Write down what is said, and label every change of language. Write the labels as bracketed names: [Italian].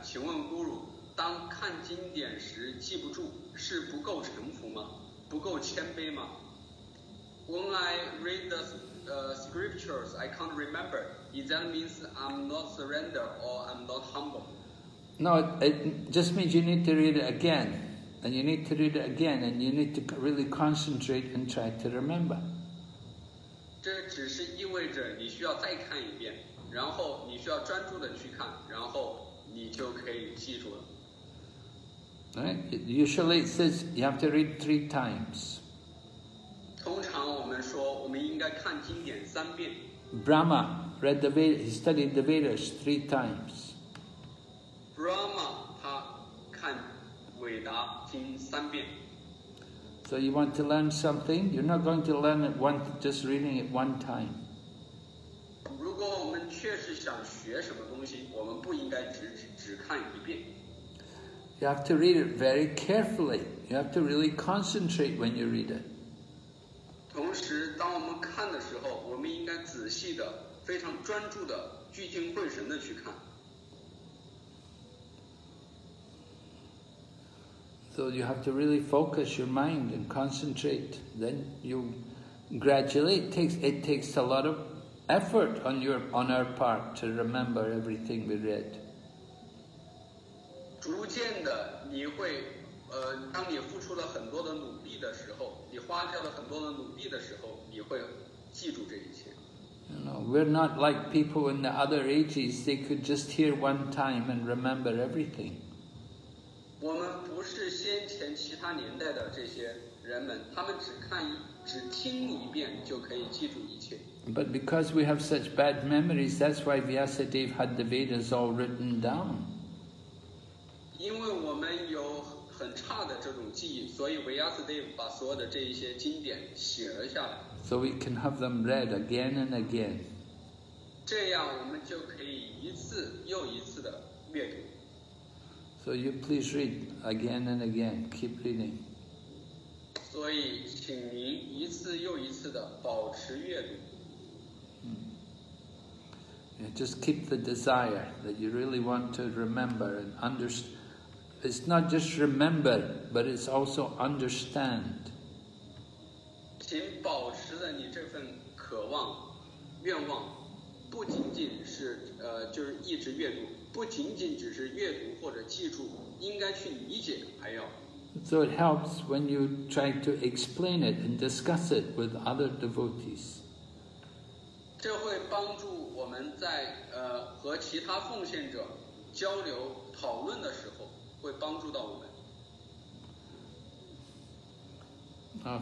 [Chinese] 请问 Guru， 当看经典时记不住，是不够诚服吗？不够谦卑吗 [English] ？When I read the scriptures, I can't remember. Is that means I'm not surrender or I'm not humble? No, it just means you need to read it again, and you need to read it again, and you need to really concentrate and try to remember. [Chinese] 这只是意味着你需要再看一遍，然后你需要专注的去看，然后你就可以记住了。 [English] Right? Usually it says you have to read three times. [Chinese] 通常我们说我们应该看经典三遍。 [English] Brahma read the Veda, he studied the Vedas three times. [Chinese] Brahma, 他看韦达听三遍。 [English] So you want to learn something? You're not going to learn it one, just reading it one time. [Chinese] 如果我们确实想学什么东西，我们不应该只看一遍。 [English] You have to read it very carefully. You have to really concentrate when you read it. [Chinese] 同时，当我们看的时候，我们应该仔细的、非常专注的、聚精会神的去看。 [English] So you have to really focus your mind and concentrate. Then you gradually, it takes a lot of effort on our part to remember everything we read. [Chinese] 逐渐的你会当你付出了很多的努力的时候，你花掉了很多的努力的时候，你会记住这一切。 [English] You know, we're not like people in the other ages, they could just hear one time and remember everything. [Chinese] 我们不是先前其他年代的这些人们，他们只听一遍就可以记住一切。 [English] But because we have such bad memories, that's why Vyasadeva had the Vedas all written down. [Chinese] 因为我们有很差的这种记忆，所以维亚斯德把所有的这一些经典写了下来。 [English] So we can have them read again and again. [Chinese] 这样我们就可以一次又一次的阅读。 [English] So you please read again and again, keep reading. [Chinese] 所以请您一次又一次的保持阅读。 [English] Just keep the desire that you really want to remember and understand. It's not just remember, but it's also understand. [Chinese] 请保持着你这份渴望、愿望，不仅仅是就是一直阅读，不仅仅只是阅读或者记住，应该去理解，还要。 [English] So it helps when you try to explain it and discuss it with other devotees. [Chinese] 这会帮助。我们在和其他奉献者交流讨论的时候，会帮助到我们。